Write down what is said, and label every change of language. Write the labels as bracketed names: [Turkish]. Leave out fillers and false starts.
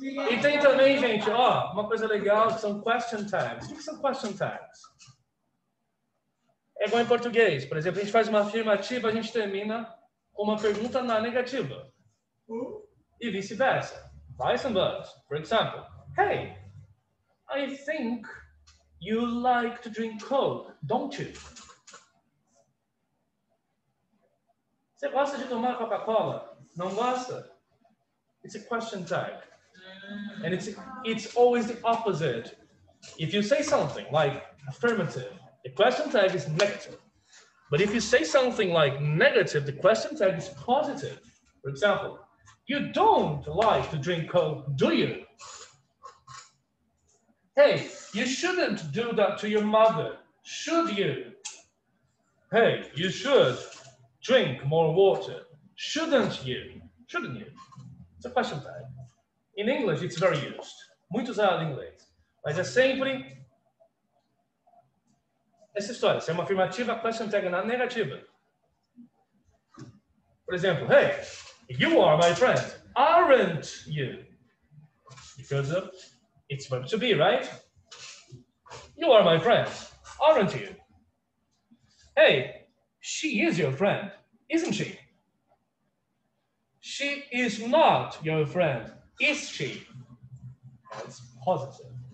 [Portuguese] E tem também, gente, ó, uma coisa legal, que são question tags. O que são question tags? É igual em português. Por exemplo, a gente faz uma afirmativa, a gente termina com uma pergunta na negativa. E vice-versa. [English] Vice and verse. For example, hey, I think you like to drink Coke, don't you? [Portuguese] Você gosta de tomar Coca-Cola? Não gosta? [English] It's a question tag. And it's always the opposite. If you say something like affirmative, the question tag is negative. But if you say something like negative, the question tag is positive. For example, you don't like to drink Coke, do you? Hey, you shouldn't do that to your mother, should you? Hey, you should drink more water, shouldn't you? Shouldn't you? It's a question tag. In English, it's very used. [Portuguese] Muito usado em inglês. Mas é sempre essa história. Se é uma afirmativa, a question tag é na negativa. [English] Por exemplo, hey, you are my friend, aren't you? Because of it's verb to be, right? You are my friend, aren't you? Hey, she is your friend, isn't she? She is not your friend, is she? It's positive.